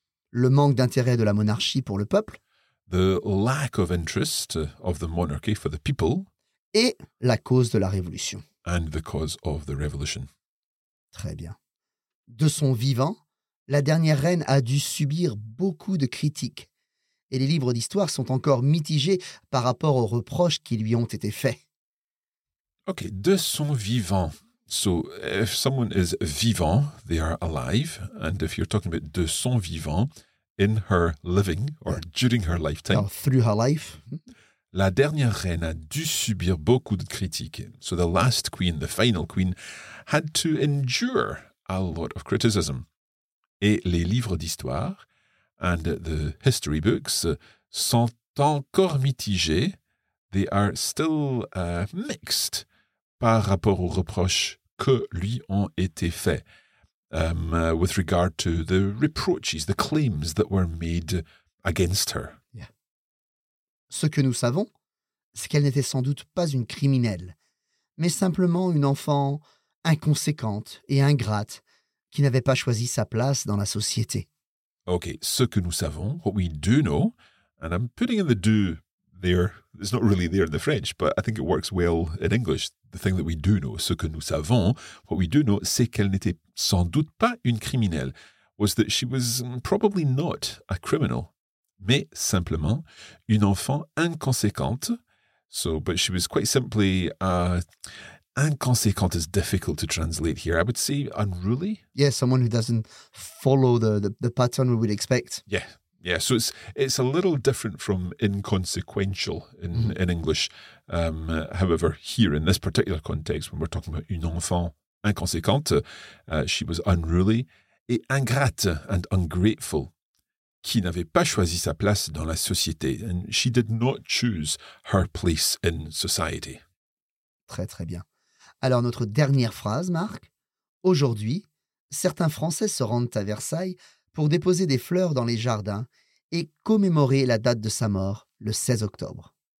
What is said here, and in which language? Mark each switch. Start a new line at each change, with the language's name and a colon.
French: Le manque d'intérêt de la monarchie pour le peuple.
English: The lack of interest of the monarchy for the people.
French: Et la cause de la révolution.
English: And the cause of the revolution.
French: Très bien. De son vivant, la dernière reine a dû subir beaucoup de critiques. Et les livres d'histoire sont encore mitigés par rapport aux reproches qui lui ont été faits. Ok, de son vivant.
English: So, if someone is vivant, they are alive. And if you're talking about
French: de son vivant,
English: in her living, or during her lifetime. Or through her life.
French: La dernière reine a dû subir beaucoup de critiques.
English: So the last queen, the final queen, had to endure a lot of criticism.
French: Et les livres d'histoire
English: and the history books
French: sont encore mitigés.
English: They are still mixed
French: par rapport aux reproches que lui ont été faits.
English: With regard to the reproaches, the claims that were made against her. Yeah.
French: Ce que nous savons, c'est qu'elle n'était sans doute pas une criminelle, mais simplement une enfant inconséquente et ingrate qui n'avait pas choisi sa place dans la société.
English: Okay,
French: ce que nous savons,
English: what we do know, and I'm putting in the do there, it's not really there in the French, but I think it works well in English. The thing that we do know,
French: ce que nous savons,
English: what we do know,
French: c'est qu'elle n'était sans doute pas une criminelle,
English: was that she was probably not a criminal,
French: mais simplement une enfant inconséquente.
English: So, but she was quite simply, inconséquente is difficult to translate here. I would say unruly. Yeah, someone who doesn't follow the pattern we would expect. Yeah. Yeah, so it's a little different from inconsequential in English. However, here in this particular context, when we're talking about
French: une enfant inconséquente,
English: she was unruly
French: et ingrate
English: and ungrateful,
French: qui n'avait pas choisi sa place dans la société.
English: And she did not choose her place in society.
French: Très, très bien. Alors, notre dernière phrase, Marc. Aujourd'hui, certains Français se rendent à Versailles pour déposer des fleurs dans les jardins et commémorer la date de sa mort, le 16 octobre.